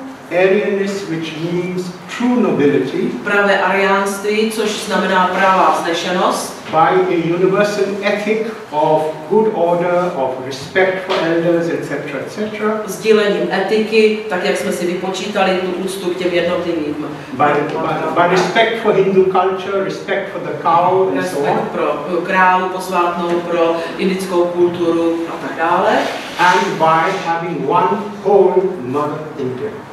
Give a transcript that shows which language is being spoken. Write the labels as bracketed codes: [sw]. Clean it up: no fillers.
[en] Arianness, which means true nobility, [cs] pravé ariánství, což znamená pravá vznešenost, [en] by a universal ethic of good order, of respect for elders, etc., etc. [cs] Sdílením etiky, tak jak jsme si vypočítali tu úctu k těm jednotlivým. [en] By respect for Hindu culture, respect for the cow, and so on. [cs] Respekt pro krávu posvátnou, pro indickou kulturu a tak dále. [en] And by having one whole mother India.